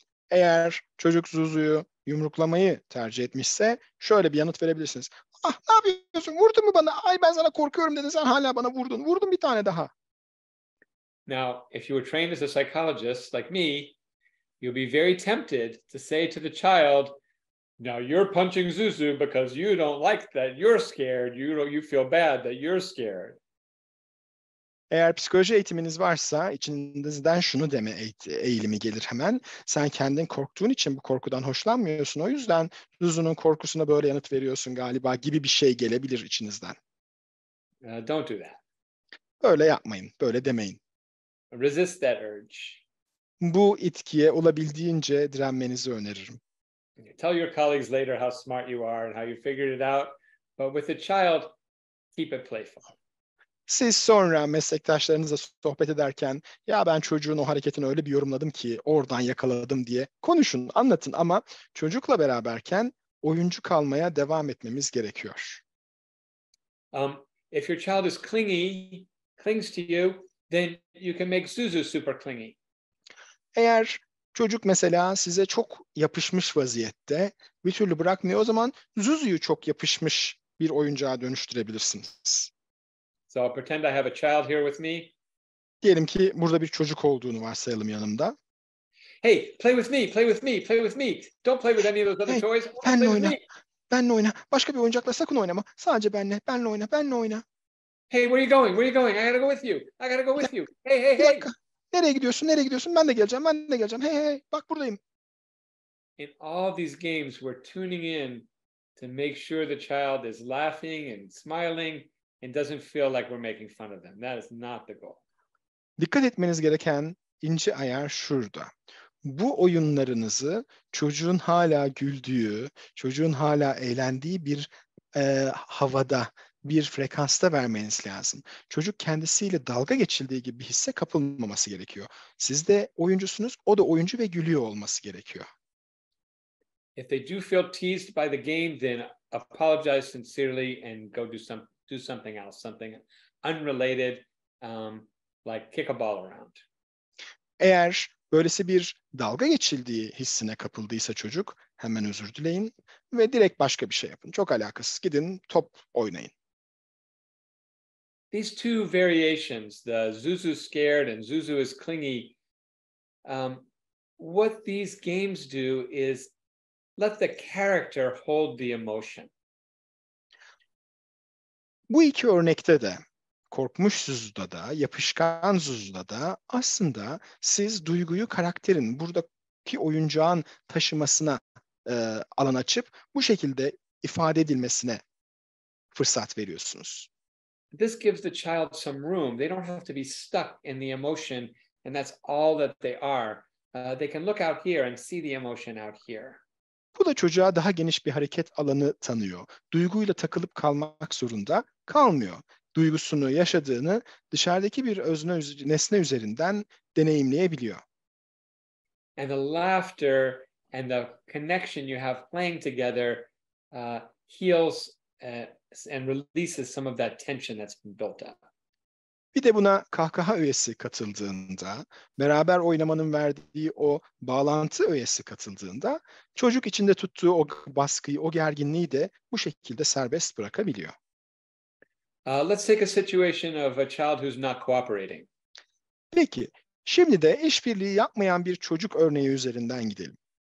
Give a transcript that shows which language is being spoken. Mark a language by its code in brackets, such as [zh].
[tr] Eğer çocuk Zuzu'yu yumruklamayı tercih etmişse şöyle bir yanıt verebilirsiniz. "Ah, ne yapıyorsun? Vurdun mu bana? Ay ben sana korkuyorum dedin, sen hala bana vurdun. Vurdun bir tane daha." [en] Now, if you were trained as a psychologist like me, you'd be very tempted to say to the child, "Now you're punching Zuzu because you don't like that you're scared. You feel bad that you're scared." [tr] Eğer psikoloji eğitiminiz varsa içinizden şunu deme eğilimi gelir hemen. Sen kendin korktuğun için bu korkudan hoşlanmıyorsun. O yüzden Zuzu'nun korkusuna böyle yanıt veriyorsun galiba gibi bir şey gelebilir içinizden. [en] Don't do that. [tr] Öyle yapmayın, böyle demeyin. [en] Resist that urge. [tr] Bu itkiye olabildiğince direnmenizi öneririm. [en] Tell your colleagues later how smart you are and how you figured it out, but with a child, keep it playful. [tr] Siz sonra meslektaşlarınızla sohbet ederken, ya ben çocuğun o hareketini öyle bir yorumladım ki oradan yakaladım diye konuşun, anlatın ama çocukla beraberken oyuncu kalmaya devam etmemiz gerekiyor. [en] If your child is clingy, clings to you, then you can make Zuzu super clingy. [tr] Eğer çocuk mesela size çok yapışmış vaziyette, bir türlü bırakmıyor, o zaman Zuzu'yu çok yapışmış bir oyuncağa dönüştürebilirsiniz. [en] So I'll pretend I have a child here with me. [tr] Diyelim ki burada bir çocuk olduğunu varsayalım yanımda. [en] Hey, play with me, play with me, play with me. Don't play with any of those other toys. [tr] Benle oyna, benle oyna. Başka bir oyuncakla sakın oynama. Sadece benle, benle oyna, benle oyna. [en] Hey, where are you going? Where are you going? I gotta go with you. I gotta go with you. Hey, hey, hey. [tr] Nereye gidiyorsun? Nereye gidiyorsun? Ben de geleceğim. Ben de geleceğim. Hey, hey, bak buradayım. [en] In all these games, we're tuning in to make sure the child is laughing and smiling and doesn't feel like we're making fun of them. That is not the goal. [tr] Dikkat etmeniz gereken ince ayar şurada. Bu oyunlarınızı çocuğun hala güldüğü, çocuğun hala eğlendiği bir havada, bir frekansta vermeniz lazım. Çocuk kendisiyle dalga geçildiği gibi bir hisse kapılmaması gerekiyor. Siz de oyuncusunuz, o da oyuncu ve gülüyor olması gerekiyor. [en] If they do feel teased by the game, then apologize sincerely and go do something else, something unrelated, like kick a ball around. [tr] Eğer böylesi bir dalga geçildiği hissine kapıldıysa çocuk, hemen özür dileyin ve direkt başka bir şey yapın. Çok alakasız, gidin top oynayın. [en] These two variations, the Zuzu scared and Zuzu is clingy, what these games do is let the character hold the emotion. [tr] Bu iki örnekte de, korkmuş Zuzu'da da, yapışkan Zuzu'da da aslında siz duyguyu karakterin, buradaki oyuncağın taşımasına alan açıp bu şekilde ifade edilmesine fırsat veriyorsunuz. [en] This gives the child some room. They don't have to be stuck in the emotion and that's all that they are. They can look out here and see the emotion out here. [tr] Bu da çocuğa daha geniş bir hareket alanı tanıyor. Duyguyla takılıp kalmak zorunda kalmıyor. Duygusunu, yaşadığını dışarıdaki bir özne, nesne üzerinden deneyimleyebiliyor. [en] And the laughter and the connection you have playing together heals and releases some of that tension that's been built up. [tr] Bir de buna kahkaha öğesi katıldığında, beraber oynamanın verdiği o bağlantı öğesi katıldığında, çocuk içinde tuttuğu o baskıyı, o gerginliği de bu şekilde serbest bırakabiliyor. [en] Let's take a situation of a child who's not cooperating. [tr] Peki, şimdi de işbirliği yapmayan bir çocuk örneği üzerinden gidelim.